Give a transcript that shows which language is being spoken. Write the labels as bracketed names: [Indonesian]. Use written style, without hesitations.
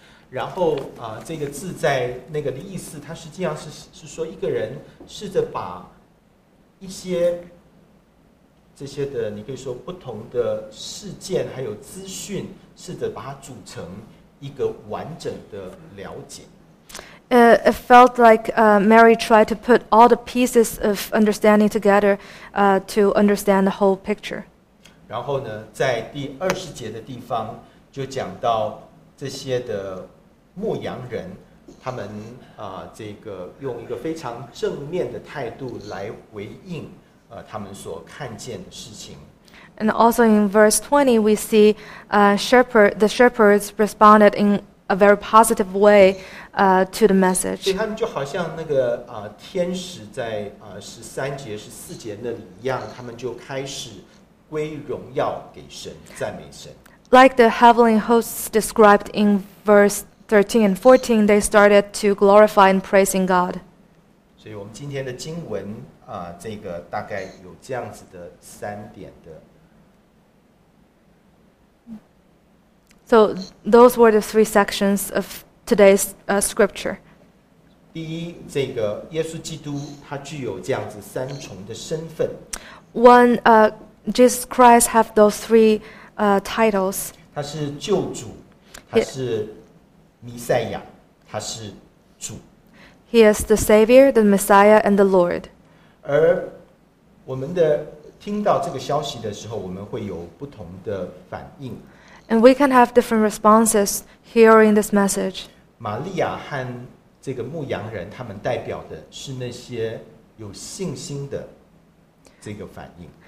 [Chinese] 然后这个字在那个的意思，它实际上是说一个人试着把一些这些的，你可以说不同的事件还有资讯，试着把它组成一个完整的了解。 [English] It felt like Mary tried to put all the pieces of understanding together to understand the whole picture. [Chinese] 然后呢，在第二十节的地方就讲到这些的牧羊人，他们这个用一个非常正面的态度来回应他们所看见的事情。 [English] And also in verse 20, we see the shepherds responded in a very positive way to the message. [Chinese] 所以他们就好像那个天使在十三节、十四节那里一样，他们就开始归荣耀给神，赞美神。 [English] Like the heavenly hosts described in verse 13 and 14, they started to glorify and praising God. [Chinese] 所以我们今天的经文啊，这个大概有这样子的三点的。 [English] So those were the three sections of today's scripture. [Chinese] 第一，这个耶稣基督他具有这样子三重的身份。 [English] One, Jesus Christ have those three titles. [Chinese] 他是救主，他是弥赛亚，他是主。 [English] He is the Savior, the Messiah, and the Lord. [Chinese] 而我们的听到这个消息的时候，我们会有不同的反应。 [English] And we can have different responses hearing this message. [Chinese] 玛利亚和这个牧羊人，他们代表的是那些有信心的这个反应。